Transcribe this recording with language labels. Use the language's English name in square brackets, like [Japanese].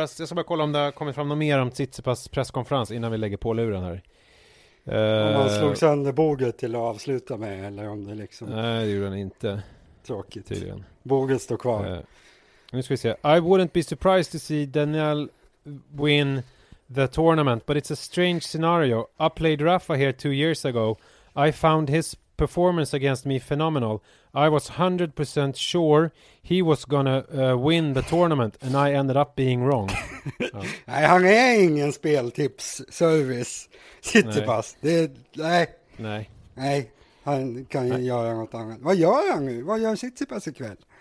[Swedish] Jag ska bara kolla om det har kommit fram något mer om Tsitsipas presskonferens innan vi lägger på luren här. Om han slog sönder boget till att avsluta med, eller om det liksom... Nej, det gjorde han inte. Tråkigt. Tydligen. Boget står kvar. Nu ska vi se. [English] I wouldn't be surprised to see Daniel win the tournament, but it's a strange scenario. I played Rafa here 2 years ago. I found his performance against me phenomenal. I was 100% sure he was gonna win the tournament, and I ended up being wrong. [Swedish] Nej, han är ingen speltips-service. Tsitsipas. Nej, han kan ju göra något annat. Vad gör han nu? Vad gör Tsitsipas ikväll?